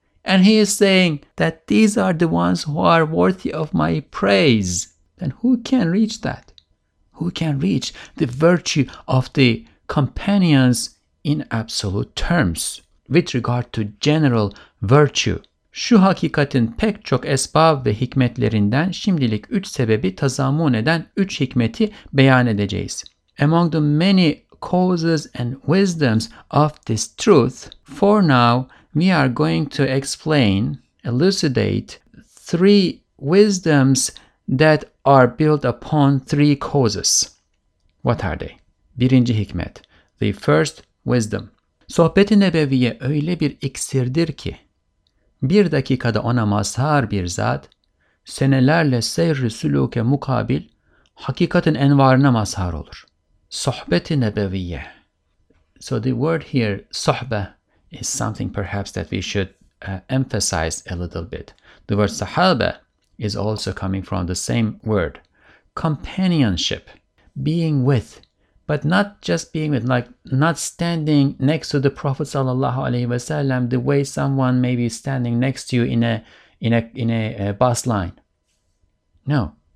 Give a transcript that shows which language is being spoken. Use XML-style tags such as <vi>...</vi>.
<en>And He is saying that these are the ones who are worthy of my praise. Then who can reach that? Who can reach the virtue of the companions in absolute terms with regard to general virtue?</en> <tr>Şu hakikatin pek çok esbab ve hikmetlerinden şimdilik üç sebebi tazammun eden üç hikmeti beyan edeceğiz.</tr> <en>Among the many causes and wisdoms of this truth, for now we are going to explain, elucidate three wisdoms that are built upon three causes. What are they?</en> <tr>Birinci hikmet,</tr> <en>the first wisdom.</en> <tr>Sohbet-i Nebeviye öyle bir iksirdir ki, bir dakikada ona mazhar bir zat, senelerle seyr-i süluke mukabil, hakikatin envarına mazhar olur. Sohbet-i Nebeviye.</tr> <en>So the word here, sohbe, is something perhaps that we should emphasize a little bit. The word sahabe is also coming from the same word. Companionship, being with. But not just being with, like not standing next to the Prophet sallallahu alaihi wasallam the way someone may be standing next to you in a bus line. No,</en>